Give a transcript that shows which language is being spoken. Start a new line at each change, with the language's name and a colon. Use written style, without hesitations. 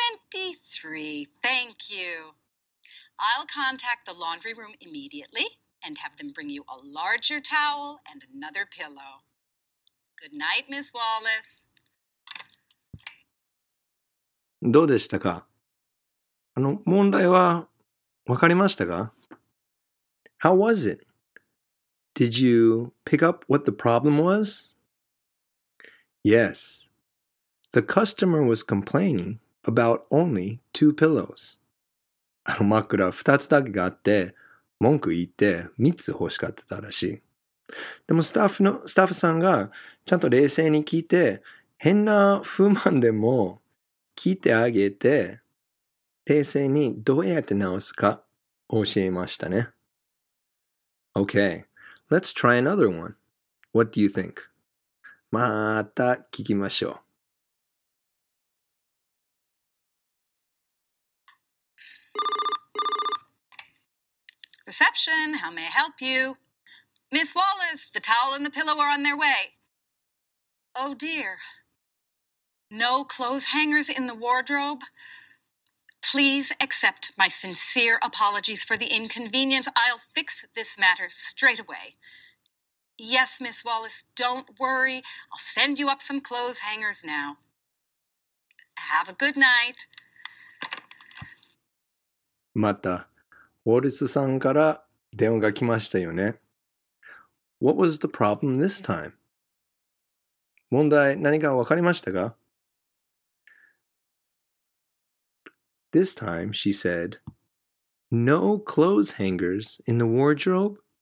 English: 23, thank you. I'll contact the laundry room immediately and have them bring you a larger towel and another pillow. Good night, Miss Wallace.
Japanese: どうでしたか？問題は分かりましたか？
English: How was it? Did you pick up what the problem was? Yes. The customer was complaining about only two pillows.
Japanese: 枕2つだけがあって、文句言って3つ欲しかったらしい。でもスタッフさんがちゃんと冷静に聞いて、変な不満でも聞いてあげて、訂正にどうやって直すか教えましたね。
English: Okay, let's try another one. What do you think?
Japanese: また聞きましょう。
English: Reception, how may I help you? Miss Wallace, the towel and the pillow are on their way. Oh dear. No clothes hangers in the wardrobe. Please accept my sincere apologies for the inconvenience. I'll fix this matter straight away. Yes, Miss Wallace, don't worry. I'll send you up some clothes hangers now. Have a good night.
Japanese: また、ウォルスさんから電話が来ましたよね。
English: What was the problem this time?
Japanese: 問題、何かわかりましたか？
English: This time, she said, no clothes hangers in the wardrobe.